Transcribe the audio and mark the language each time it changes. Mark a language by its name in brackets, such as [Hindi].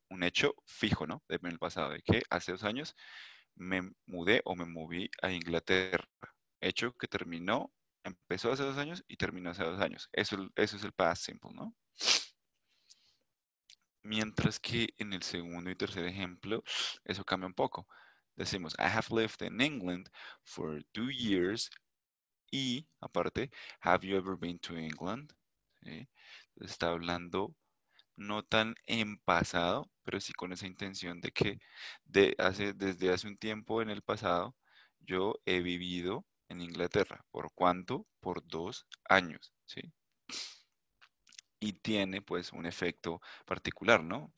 [Spanish] Un hecho fijo, ¿no? En el pasado, de que hace 2 años me mudé o me moví a Inglaterra. Hecho que terminó, empezó hace 2 años y terminó hace 2 años. Eso es el past simple, ¿no? Mientras que en el segundo y tercer ejemplo, eso cambia un poco. Decimos, [English] I have lived in England for 2 years [Spanish] y, aparte, [English] have you ever been to England? [Spanish] ¿Sí? Está hablando no tan en pasado, pero sí con esa intención de que desde hace un tiempo en el pasado, yo he vivido en Inglaterra. ¿Por cuánto? Por 2 años, ¿sí? Y tiene pues un efecto particular, ¿no?